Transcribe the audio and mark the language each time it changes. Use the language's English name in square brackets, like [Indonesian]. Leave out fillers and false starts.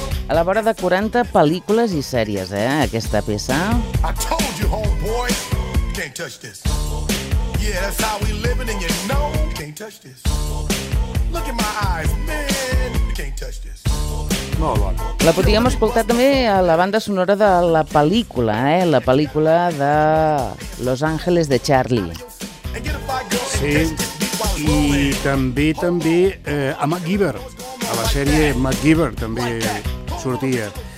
[Catalan] A la vora de 40 pel·lícules i sèries, aquesta peça. [English] I told you, homeboy, you can't touch this. Yeah, that's how we living and you know you can't touch this. Look in my eyes, man, you can't touch this. [Catalan] Molt bona. La podíem escoltar també a la banda sonora de la pel·lícula, la pel·lícula de Los Ángeles de Charlie. Sí, i també a MacGyver, a la sèrie MacGyver també sortia.